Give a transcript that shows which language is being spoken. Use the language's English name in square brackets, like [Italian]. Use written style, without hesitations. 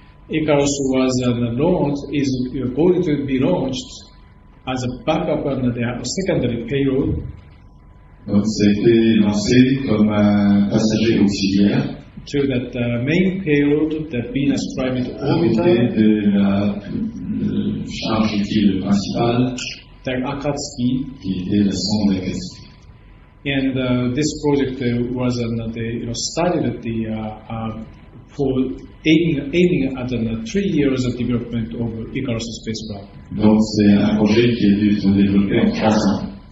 [English] Icarus was is going to be launched as a backup and the secondary payload. [French] Donc, ça a été lancé comme un passager auxiliaire. [English] To that main payload, the Venus private orbiter. [French] À côté de la charge utile principale, [English] the Akatsuki, [French] qui était la sonde Akatsuki. [English] And this project was started at the for aiming at 3 years of development of Icarus spacecraft. [French] Donc c'est un projet qui a dû se développer en 3 ans.